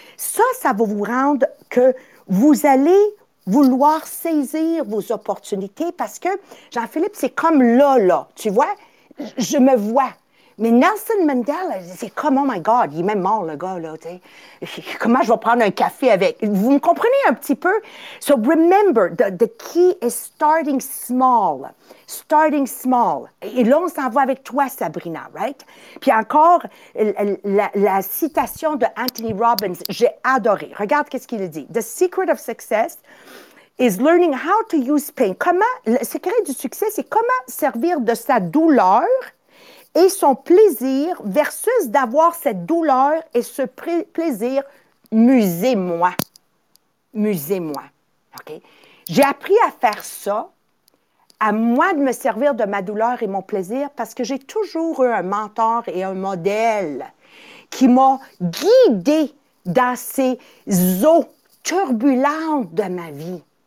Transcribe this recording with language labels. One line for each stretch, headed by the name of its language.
French: Ça va vous rendre que vous allez vouloir saisir vos opportunités parce que, Jean-Philippe, c'est comme là, tu vois? je me vois. Mais Nelson Mandela, c'est comme,
English: oh my God,
French: il est même mort, le gars, là, tu sais. Comment je vais prendre un café avec? Vous me comprenez un petit peu?
English: So, remember, the key is starting small. Starting small.
French: Et là, on s'en va avec toi, Sabrina, right? Puis encore, la citation de Anthony Robbins, j'ai adoré. Regarde qu'est-ce qu'il dit.
English: The secret of success is learning how to use pain.
French: Comment, le secret du succès, c'est comment servir de sa douleur et son plaisir versus d'avoir cette douleur et ce plaisir, musez-moi. Musez-moi. OK? J'ai appris à faire ça, à moi de me servir de ma douleur et mon plaisir parce que j'ai toujours eu un mentor et un modèle qui m'a guidée dans ces eaux turbulentes de ma vie.